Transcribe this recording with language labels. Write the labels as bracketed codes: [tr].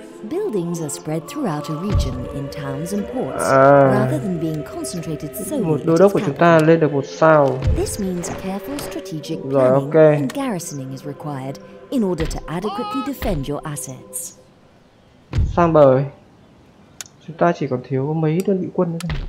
[en] Buildings are spread throughout a region in towns and ports rather than being concentrated solely. [vi] Một đô đốc của chúng ta lên được 1 sao. [en] This means careful strategic [vi] rồi, [en] okay. And garrisoning is required in order to adequately defend your assets. [vi] Sang bờ. Chúng ta chỉ còn thiếu mấy đơn vị quân nữa.